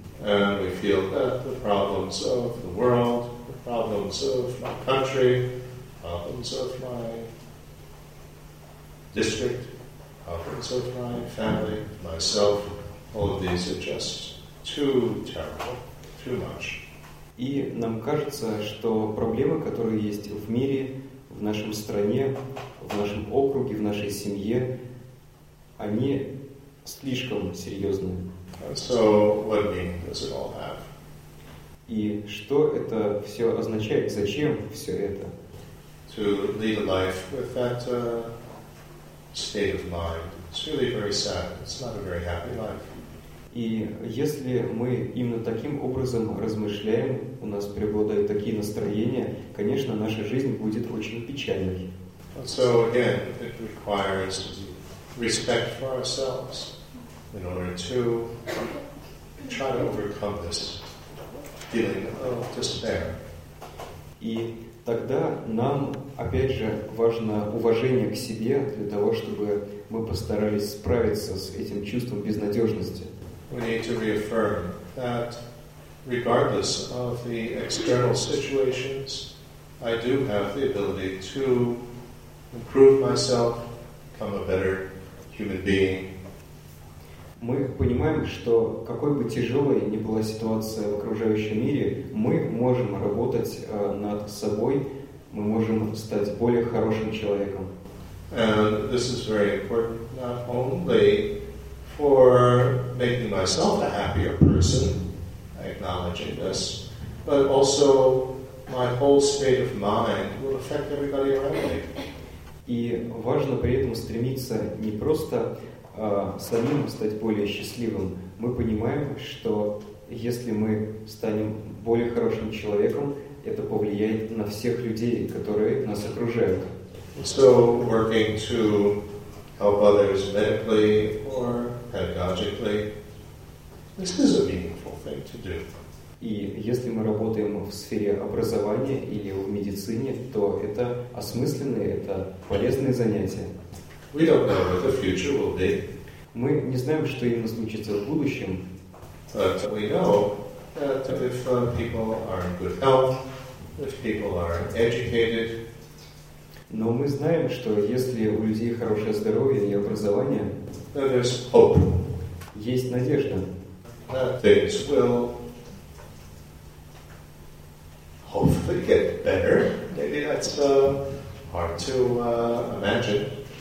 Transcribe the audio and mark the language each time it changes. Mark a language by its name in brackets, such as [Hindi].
[English] And we feel that the problems of the world, the problems of my country, problems of my district, problems of my family, myself, all of these are just too terrible, too much. [Russian] И нам кажется, что проблемы, которые есть в мире, в нашем стране, в нашем округе, в нашей семье, они слишком серьезные. [English] And so, what meaning does it all have? [Russian] И что это все означает? Зачем все это? [English] To lead a life with that state of mind. It's really very sad. It's not a very happy life. [Russian] И если мы именно таким образом размышляем, у нас преобладают такие настроения, конечно, наша жизнь будет очень печальной. [English] And so again, it requires respect for ourselves in order to try to overcome this feeling of despair. [Russian] И тогда нам, опять же, важно уважение к себе для того, чтобы мы постарались справиться с этим чувством безнадежности. [English] We need to reaffirm that regardless of the external situations, I do have the ability to improve myself, become a better human being. [Russian] Мы понимаем, что какой бы тяжелой ни была ситуация в окружающем мире, мы можем работать над собой, мы можем стать более хорошим человеком. [English] And this is very important, not only for making myself a happier person, acknowledging this, but also my whole state of mind will affect everybody around me. [Russian] И важно при этом стремиться не просто самим стать более счастливым. Мы понимаем, что если мы станем более хорошим человеком, это повлияет на всех людей, которые нас окружают. [English] So working to help others medically or pedagogically, this is a meaningful thing to do. [Russian] И если мы работаем в сфере образования или в медицине, то это осмысленные, это полезные занятия. [English] We don't know what the future will be. [Russian] Мы не знаем, что именно случится в будущем. [English] But we know that if people are in good health, if people are educated. [Russian] Но мы знаем, что если у людей хорошее здоровье и образование, [English] then there's hope. [Russian] Есть надежда. [English] That things will hopefully get better. Maybe that's hard to imagine.